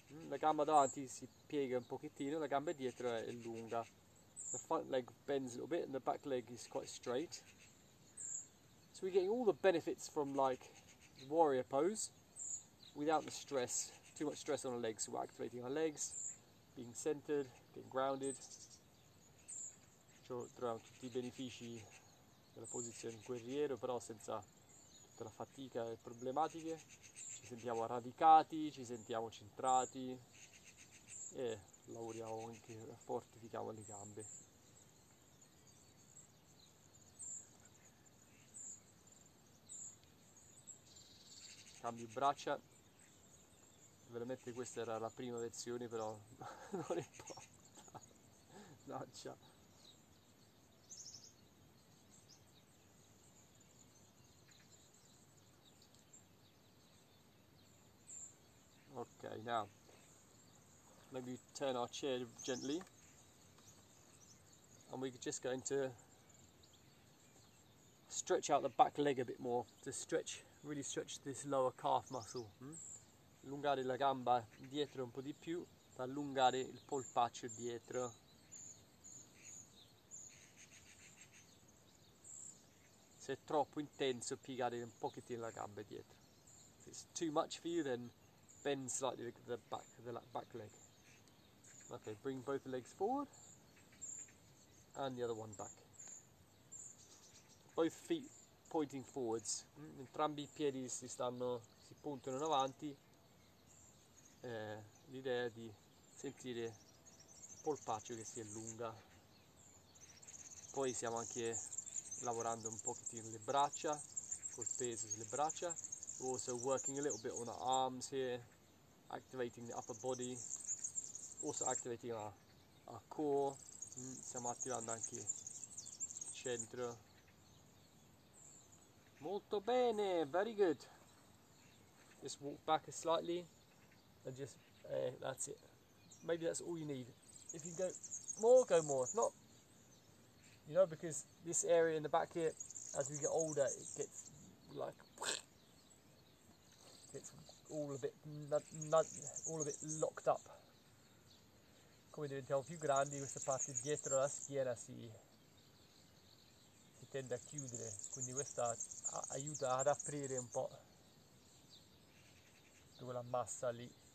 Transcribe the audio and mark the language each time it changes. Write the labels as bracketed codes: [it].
[it] La gamba davanti si piega un pochettino, la gamba dietro è lunga. [en] The front leg bends a little bit and the back leg is quite straight. So we're getting all the benefits from like warrior pose without the stress, too much stress on our legs. So we're activating our legs, being centered, getting grounded. [it] Troviamo tutti I benefici della posizione guerriero, però senza tutta la fatica e problematiche. Ci sentiamo radicati, ci sentiamo centrati e lavoriamo anche, fortifichiamo le gambe. Cambio braccia. Veramente questa era la prima versione, però non importa. Braccia. [en] Okay, now maybe turn our chair gently and we're just going to stretch out the back leg a bit more to stretch, really stretch this lower calf muscle. [it] Allungare la gamba dietro un po' di più, allungare il polpaccio dietro. Se è troppo intenso, piegare un pochettino la gamba dietro. [en] If it's too much for you, then bend slightly the back leg. Okay, bring both legs forward and the other one back. Both feet pointing forwards. [it] Entrambi I piedi si puntano in avanti. L'idea è di sentire il polpaccio che si allunga. Poi stiamo anche lavorando un pochettino le braccia, col peso sulle braccia. [en] We're also working a little bit on our arms here. Activating the upper body, also activating our core. [it] Stiamo attivando anche il centro. Molto bene, [en] very good. Just walk back slightly and just, that's it. Maybe that's all you need. If you go more, if not, you know, because this area in the back here, as we get older, it gets like, it's all a bit locked up. [it] Come diventiamo più grandi, questa parte dietro la schiena si tende a chiudere, quindi questa aiuta ad aprire un po' quella massa lì.